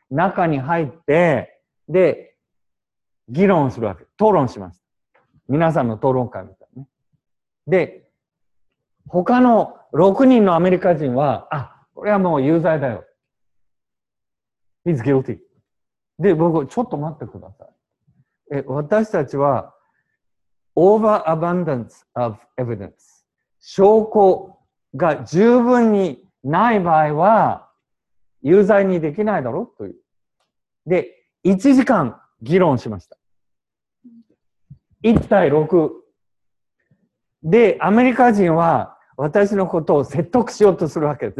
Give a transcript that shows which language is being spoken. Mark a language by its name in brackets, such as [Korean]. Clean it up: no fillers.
[Japanese] 中に入って、で、議論するわけ。討論します。皆さんの討論会みたいなね。で、他の6人のアメリカ人は、あ、これはもう有罪だよ。 [English] He's guilty. [Japanese] で、僕、ちょっと待ってください。私たちは、 [English] overabundance of evidence。 [Japanese] 証拠が十分にない場合は、有罪にできないだろうという。で、1時間議論しました。1対6。で、アメリカ人は私のことを説得しようとするわけです。